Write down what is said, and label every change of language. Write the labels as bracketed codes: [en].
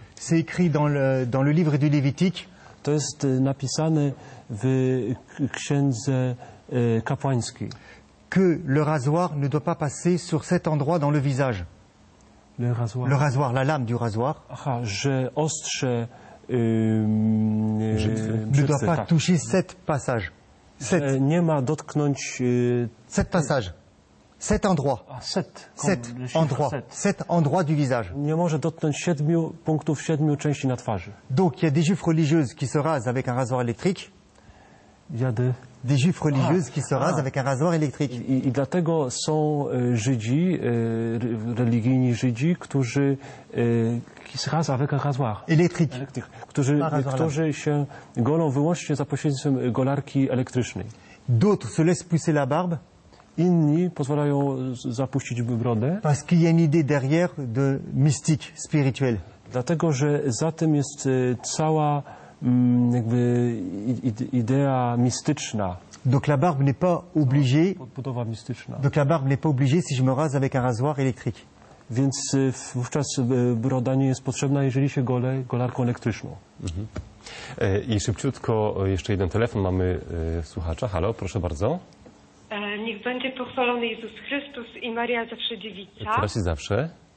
[fr] C'est écrit dans le livre du Lévitique. [pl] To jest napisane w księdze kapłańskiej. [fr] Que le rasoir ne doit pas passer sur cet endroit dans le visage. Le rasoir, la lame du rasoir. [pl] Aha, że ostrze [fr] ne doit pas toucher cet passage. [pl] Nie ma dotknąć [fr] cet passage. Sept endroits. Sept endroits du visage. [pl] Nie może dotknąć siedmiu punktów, siedmiu części na twarzy. [fr] Donc, il y a des juifs religieuses qui se rasent avec un rasoir électrique. Des juifs religieuses qui se rasent avec un rasoir électrique. [pl] I dlatego są Żydzi, religijni Żydzi, którzy [fr] qui se rasent avec un rasoir électrique. [pl] Którzy się golą wyłącznie za pośrednictwem golarki elektrycznej. [fr] D'autres se laissent pousser la barbe. [pl] Inni pozwalają zapuścić brodę. [fr] Parce qu'il y a une idée derrière de mystique spirituel. [pl] Dlatego, że za tym jest cała jakby idea mystyczna. [fr] Donc la barbe n'est pas obligée. [pl] Podbudowa mystyczna. [fr] Donc la barbe n'est pas obligée si je me rase avec un rasoir électrique. [pl] Więc wówczas broda nie jest potrzebna, jeżeli się golę golarką elektryczną. I szybciutko jeszcze jeden telefon mamy słuchacza. Halo, proszę bardzo. Niech będzie pochwalony Jezus Chrystus i Maria Zawsze Dziewica. Teraz i zawsze.